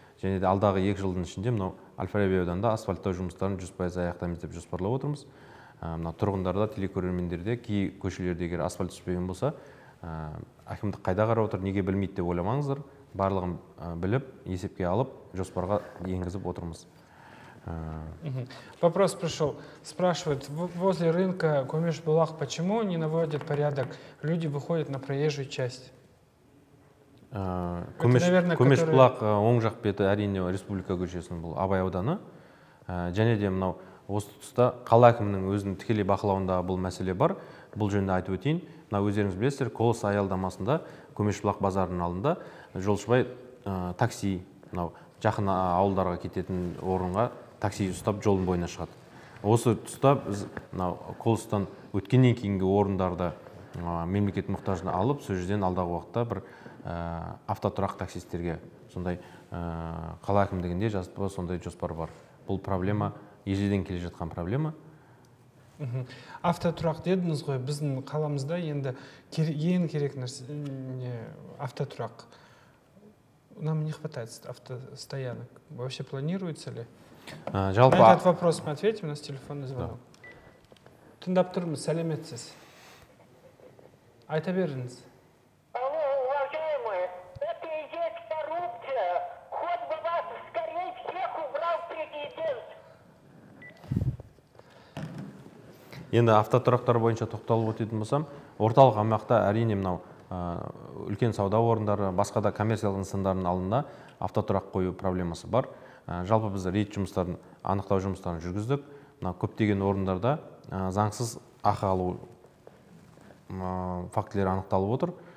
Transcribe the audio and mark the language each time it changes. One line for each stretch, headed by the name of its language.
Kazakh: Және де алдағы 2 жылдың ішінде мынау Әл-Фараби ауданында асфальттау жұмыстарын 100% аяқтаймыз деп жоспарлап отырмыз. Мына тұрғындарда, телекөрермендерде, кей көшелерде егер асфальт түспеген болса, әкімдік қайда қарап отыр, неге білмейді деп ойламаңыздар. Барлығын біліп, есепке алып, жоспарға енгізіп отырмыз.
Russian: Вопрос пришел. Спрашивают, возле рынка Көмешбұлақ почему не наводят порядок? Люди выходят на проезжую часть.
Kazakh: Көмешбұлақ оң жақ беті әрине республика көшесінің бұл Абай ауданы. Және де мынау осы тұста қала әкімінің өзінің тікелей бақылауында бұл мәселе бар. Бұл жөнінде айтып өтейін. Мына өздеріңіз білесіздер, Колос аялдамасында Көмешбұлақ базарының алдында жолшыбай такси мынау жақын ауылдарға кететін орынға такси ұстап жолдың бойына шығады. Осы тұста біз Колостан өткеннен кейінгі орындарды мемлекет мұқтажына алып, сол жерден алдағы уақытта бір автотұрақ таксистерге сондай қала әкімдігінде жазып сондай жоспар бар. Бұл проблема ежелден келе жатқан проблема. Автотұрақ дедіңіз ғой, біздің қаламызда енді ең керек нәрсе автотұрақ.
Russian: Нам не хватает автостоянок. Вообще планируется ли?
Kazakh: Жалпы...
Russian: На этот вопрос мы ответим, у нас телефонный звонок. Да.
Kazakh: Тыңдап тұрмыз, сәлеметсіз. Айта беріңіз.
Russian: Алло, уважаемые, это и есть коррупция. Ход бы вас скорее всех убрал президент.
Kazakh: Енді автотұрақтар бойынша тоқталып өтетін болсам, орталық аймақта әрине мынау үлкен сауда орындары, басқа да коммерциялық нысандардың алдында автотұрақ қою проблемасы бар. Жалпы біз рейд жұмыстарын, анықтау жұмыстарын жүргіздік. Мына көптеген орындарда заңсыз ақы алу фактілері анықталып отыр.